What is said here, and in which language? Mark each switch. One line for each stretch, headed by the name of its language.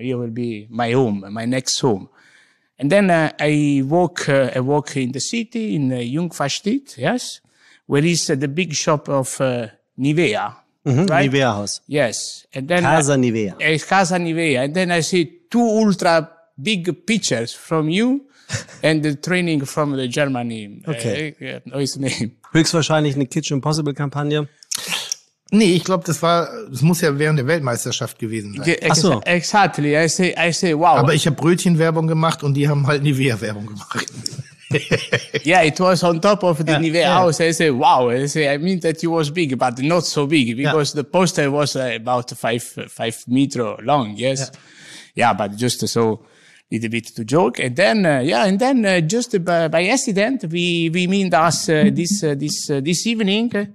English: Here will be my home, my next home. And then I walk in the city, in Jungfernstieg, yes, where is the big shop of Nivea. Mm-hmm. Right? Nivea House. Yes. And then Casa Nivea. Casa Nivea. And then I see 2 ultra big pictures from you. And the training from the Germany. Okay. Name.
German: Höchstwahrscheinlich eine Kitchen Impossible Kampagne. Nee, ich glaube, das muss ja während der Weltmeisterschaft gewesen sein. Ach so.
English: Exactly. I say, wow.
German: Aber ich habe Brötchenwerbung gemacht und die haben halt Nivea-Werbung gemacht.
English: Yeah, it was on top of the Nivea house. I say, wow. I mean that it was big, but not so big because the poster was about 5 meter long. Yes. Yeah, but just so. Little bit to joke, and then just by accident we meet us this evening